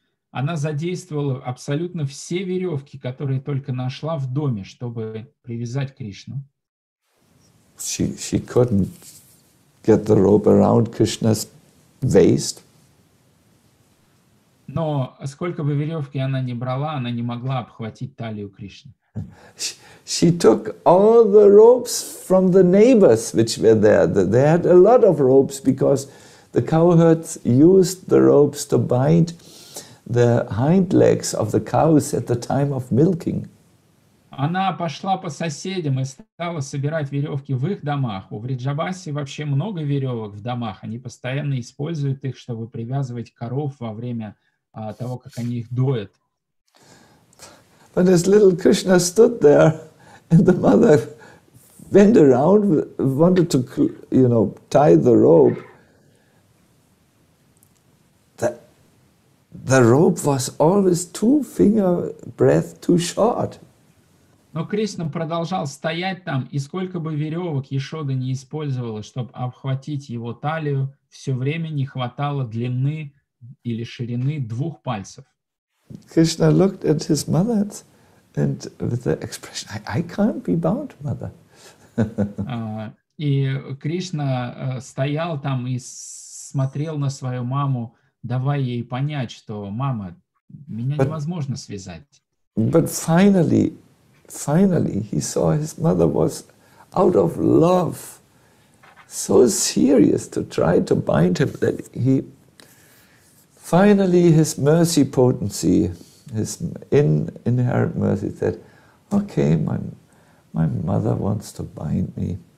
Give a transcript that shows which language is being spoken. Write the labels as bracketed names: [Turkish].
[Russian] Она задействовала абсолютно все веревки, которые только нашла в доме, чтобы привязать Кришну. [English] She couldn't get the rope around Krishna's waist. [Russian] Но сколько бы веревки она ни брала, она не могла обхватить талию Кришны. [English] She took all the ropes from the neighbors, which were there. They had a lot of ropes because the cowherds used the ropes to bind the hind legs of the cows at the time of milking. [Russian] Она пошла по соседям и стала собирать веревки в их домах. У Вриджабаси вообще много веревок в домах. Они постоянно используют их, чтобы привязывать коров во время того, как они их доят. [English] But as little Krishna stood there, and the mother went around, wanted to, you know, tie the rope, the rope was always two finger breadth too short. [Russian] Но Кришна продолжал стоять там, и сколько бы веревок Ешода не использовала, чтобы обхватить его талию, все время не хватало длины или ширины двух пальцев. [English] Krishna looked at his mother and with the expression, I can't be bound, mother. [Russian] И Кришна стоял там и смотрел на свою маму, давай ей понять, что, мама, меня невозможно связать. [English] But finally, he saw his mother was out of love, so serious to try to bind him, that he, finally, his mercy potency, his inherent mercy said, okay, my mother wants to bind me.